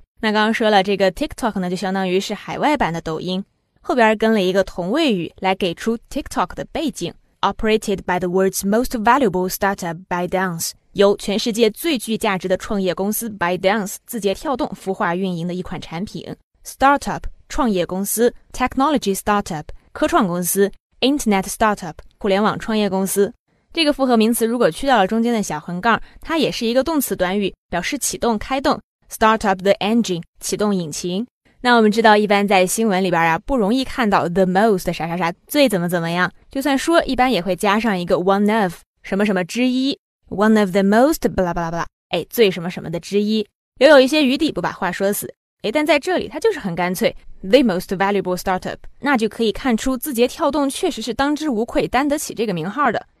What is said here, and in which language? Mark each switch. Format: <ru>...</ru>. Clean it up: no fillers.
<zh>那刚刚说了，这个 TikTok 呢，就相当于是海外版的抖音。后边跟了一个同位语来给出 TikTok 的背景。</zh> <en>Operated by the world's most valuable startup, ByteDance.</en> <zh>由全世界最具价值的创业公司 ByteDance, 字节跳动孵化运营的一款产品。</zh> <en>Startup,</en> <zh>创业公司</zh> <en>,technology startup,</en> <zh>科创公司</zh> <en>,internet startup,</en> <zh>互联网创业公司。这个复合名词如果去掉了中间的小横杠，它也是一个动词短语，表示启动开动。</zh> <en>Startup the engine,</en> <zh>启动引擎。那我们知道一般在新闻里边啊，不容易看到</zh> <en>the most</en> <zh>啥啥啥最怎么怎么样，就算说一般也会加上一个</zh> <en>one of</en> <zh>什么什么之一，</zh> <en>one of the most blah blah blah，</en> <zh>哎，最什么什么的之一，留有一些余地不把话说死。哎，但在这里它就是很干脆</zh> <en>the most valuable startup，</en> <zh>那就可以看出字节跳动确实是当之无愧担得起这个名号的。</zh>